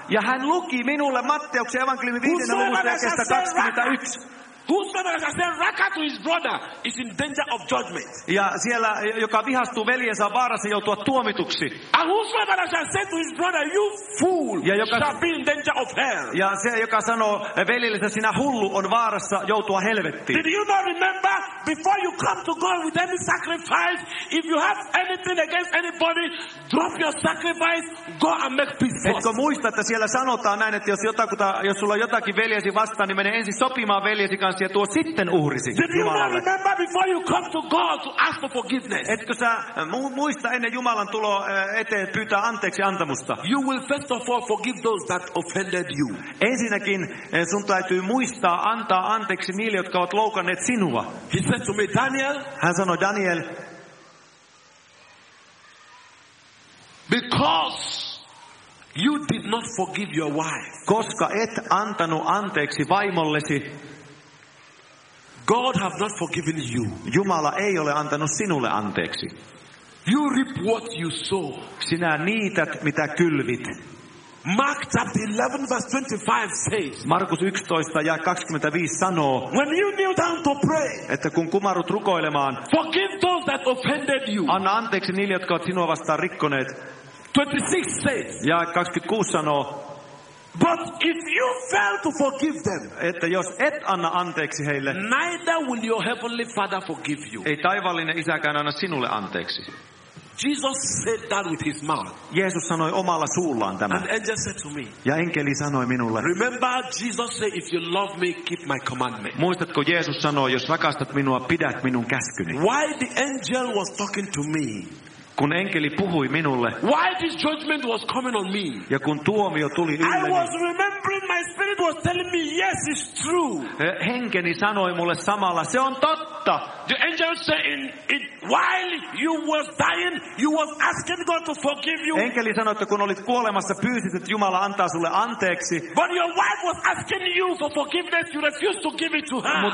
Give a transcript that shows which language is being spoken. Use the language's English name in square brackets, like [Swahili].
[Finnish] Ja hän luki minulle Matteuksen evankeliumin 5. luvun jakeesta 21. [English] Whosoever says raka to his brother is in danger of judgment. [Finnish] Ja siellä, joka vihastuu veljensä, vaarassa joutua tuomituksi. [English] And whosoever says to his brother, you fool, [Finnish] ja joka, [English] shall be in danger of hell. [Finnish] Ja se, joka sanoo veljellensä, sinä hullu, on vaarassa joutua helvettiin. [English] Did you not remember, before you come to God with any sacrifice, if you have anything against anybody, drop your sacrifice, go and make peace first. [Finnish] Etkö muista, että siellä sanotaan näin, että jos sulla on jotakin veljesi vastaan, niin mene ensin sopimaan veljesi kanssa ja tuo sitten uhrisi Jumalalle. Etkö sä muista ennen Jumalan tuloa eteen pyytää anteeksi antamusta? [English] You will first of all forgive those that offended you. [Finnish] Ensinnäkin sun täytyy muistaa antaa anteeksi niille, jotka ovat loukanneet sinua. [English] He said to me, Daniel, [Finnish] hän sanoi, Daniel, [English] because you did not forgive your wife, [Finnish] koska et antanut anteeksi vaimollesi, [English] God have not forgiven you. [Finnish] Jumala ei ole antanut sinulle anteeksi. [English] You reap what you sow. [Finnish] Sinä niität mitä kylvit. [English] Mark chapter 11 verse 25 says. [Finnish] Markus 11 ja 25 sanoo. [English] When you kneel down to pray, [Finnish] että kun kumarut rukoilemaan, [English] forgive those that offended you. [Finnish] Anna anteeksi niille, jotka ovat sinua vastaan rikkoneet. [English] 26 says. [Finnish] Ja 26 sanoo. [English] But if you fail to forgive them, [Finnish] että jos et anna anteeksi heille, [English] neither will your heavenly Father forgive you. [Finnish] Ei taivaallinen isäkään anna sinulle anteeksi. [English] Jesus said that with his mouth. [Finnish] Jeesus sanoi omalla suullaan tämän. [English] And angel said to me. [Finnish] Ja enkeli sanoi minulle. [English] Remember, Jesus said, if you love me, keep my commandments. [Finnish] Muistatko, Jeesus sanoi, jos rakastat minua, pidät minun käskyni. [English] Why the angel was talking to me? [Finnish] Kun enkeli puhui minulle. [English] Why this judgment was coming on me? [Finnish] Ja kun tuomio tuli ylleni. [English] I was remembering, my spirit was telling me, yes, it's true. [Finnish] Henkeni sanoi mulle samalla, se on totta. [English] The angel said, while you were dying, you was asking God to forgive you. [Finnish] Enkeli sanoi, että kun olit kuolemassa, pyysit, että Jumala antaa sulle anteeksi. [English] But your wife was asking you for forgiveness, you refused to give it to her.